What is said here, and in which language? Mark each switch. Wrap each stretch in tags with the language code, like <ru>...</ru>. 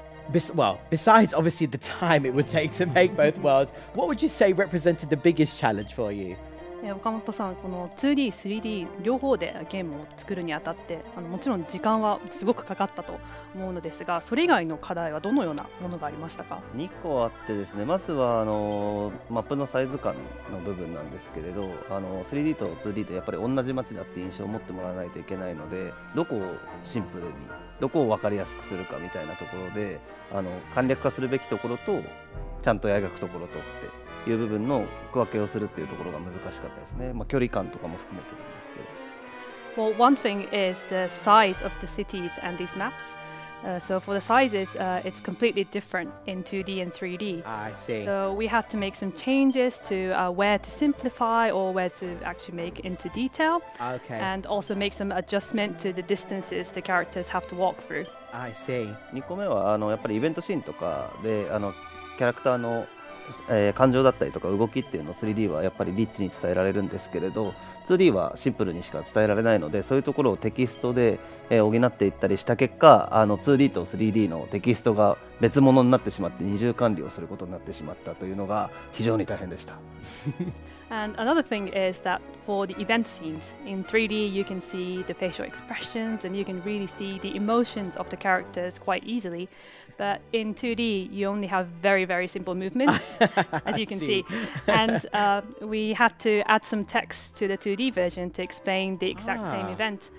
<en>Besides obviously the time it would take to make both worlds, what would you say represented the biggest challenge for you?</en> <ja>Okamoto-san, この 2D、3D 両方でゲームを作るにあたって、もちろん時間はすごくかかったと思うのですが、それ以外の課題はどのようなものがありましたか？2個あってですね、まずはマップのサイズ感の部分なんですけれど、3D と 2D でやっぱり同じ街だって印象を持ってもらわないといけないので、どこをシンプルに、どこを分かりやすくするかみたいなところで、簡略化するべきところと、ちゃんと描くところとって、いう部分の区分けをするっていうところが難しかったですね。まあ、距離感とかも含めてなんですけど。</ja> <en>Well, one thing is the size of the cities and these maps. So for the sizes, it's completely different in 2D and 3D. I see. So we had to make some changes to where to simplify or where to actually make into detail. Okay. And also make some adjustment to the distances the characters have to walk through. I see.</en> <ja>2個目はやっぱりイベントシーンとかでキャラクターの感情だったりとか動きっていうのを 3D はやっぱりリッチに伝えられるんですけれど 2D はシンプルにしか伝えられないのでそういうところをテキストで補っていったりした結果 2D と 3D のテキストが別物になってしまって二重管理をすることになってしまったというのが非常に大変でした</ja> <en>And another thing is that for the event scenes in 3D you can see the facial expressions and you can really see the emotions of the characters quite easily But in 2D, you only have very, very simple movements, as you can see. And we had to add some text to the 2D version to explain the exact same event.</en>